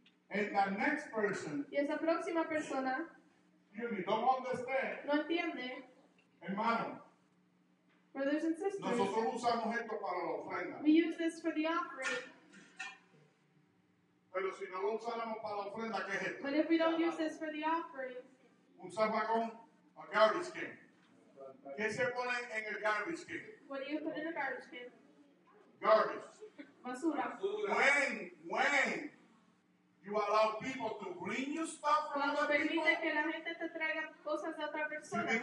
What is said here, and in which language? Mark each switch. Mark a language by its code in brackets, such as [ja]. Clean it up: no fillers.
[en] And that next person, [es] y esa próxima persona, no entiende, hermano. [en] Brothers and sisters, [es] nosotros usamos esto para la ofrenda. [en] We use this for the offering. [es] Pero si no lo usáramos para la ofrenda, ¿qué es esto? [en] But if we don't use this for the offering, [es] un zapacón, [en] a garbage can. [es] ¿Qué se pone en el [en] garbage can? What do you put in the garbage can? Garbage. [es] Basura. [en] When you allow people to bring you stuff from [es] cuando [en] other [es] permite [en] people, [es] que la gente te traiga cosas de otra persona,